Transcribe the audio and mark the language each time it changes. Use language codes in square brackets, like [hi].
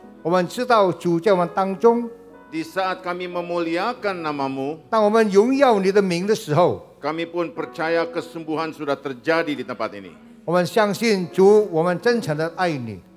[zh] 我们知道主在我们当中. [id] Di saat kami memuliakan namamu, [zh] 当我们荣耀你的名的时候, [id] kami pun percaya kesembuhan sudah terjadi di tempat ini. [zh] 我们相信主, 我们真诚地爱你.